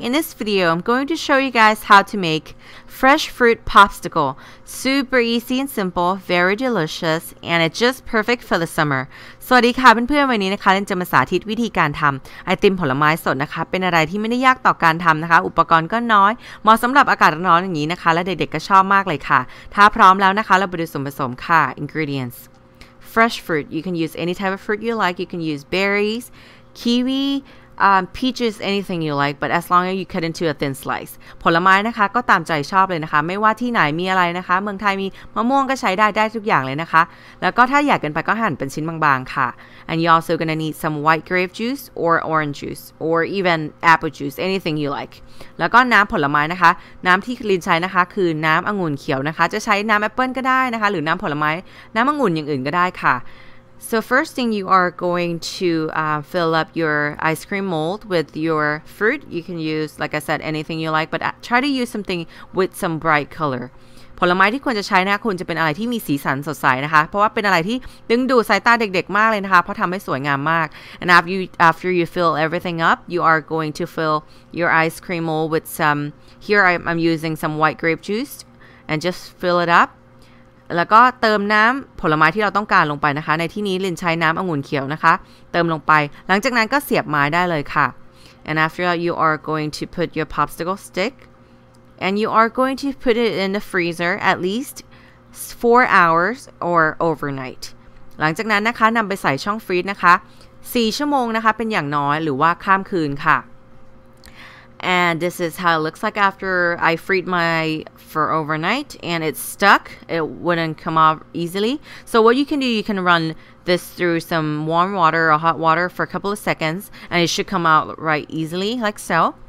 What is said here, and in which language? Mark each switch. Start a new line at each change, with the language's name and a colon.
English: In this video, I'm going to show you guys how to make fresh fruit popsicle. Super easy and simple, very delicious, and it's just perfect for the summer.
Thai: สวัสดีค่ะเพื่อนๆวันนี้นะคะเรนจะมาสาธิตวิธีการทำไอติมผลไม้สดนะคะเป็นอะไรที่ไม่ได้ยากต่อการทำนะคะอุปกรณ์ก็น้อยเหมาะสำหรับอากาศร้อนอย่างนี้นะคะและเด็กๆก็ชอบมากเลยค่ะถ้าพร้อมแล้วนะคะเราไปดูส่วนผสมค่ะ
English: ingredients fresh fruit you can use any type of fruit you like you can use berries kiwi peaches anything you like but as long as you cut into a thin slice
Thai: ผลไม้นะคะก็ตามใจชอบเลยนะคะไม่ว่าที่ไหนมีอะไรนะคะเมืองไทยมีมะม่วงก็ใช้ได้ได้ทุกอย่างเลยนะคะแล้วก็ถ้าอยากกันไปก็หั่นเป็นชิ้นบางๆค่ะ
English: and you're also gonna need some white grape juice or orange juice or even apple juice anything you like
Thai: แล้วก็น้ำผลไม้นะคะน้ำที่ลินใช้นะคะคือน้ำองุ่นเขียวนะคะจะใช้น้ำแอปเปิ้ลก็ได้นะคะหรือน้ำผลไม้น้ำองุ่นอย่างอื่นก็ได้ค่ะ
English: So first thing you are going to fill up your ice cream mold with your fruit. You can use, like I said, anything you like, but try to use something with some bright color.
Thai: ผลไม้ที่ควรจะใช้นะคุณจะเป็นอะไรที่มีสีสันสดใสนะคะเพราะว่าเป็นอะไรที่ดึงดูดสายตาเด็กๆมากเลยนะคะเพราะทำให้สวยงามมาก
English: And after you fill everything up, you are going to fill your ice cream mold with some, here I'm using some white grape juice, and just fill it up.
Thai: แล้วก็เติมน้ำผลไม้ที่เราต้องการลงไปนะคะในที่นี้ลินใช้น้ำองุ่นเขียวนะคะเติมลงไปหลังจากนั้นก็เสียบไม้ได้เลยค่ะ
English: and after that you are going to put your popsicle stick and you are going to put it in the freezer at least 4 hours or overnight
Thai: หลังจากนั้นนะคะนำไปใส่ช่องฟรีซนะคะ4ชั่วโมงนะคะเป็นอย่างน้อยหรือว่าข้ามคืนค่ะ
English: and this is how it looks like after I freed myfor overnight and it's stuck it wouldn't come off easily so what you can do you can run this through some warm water or hot water for a couple of seconds and it should come out right easily like so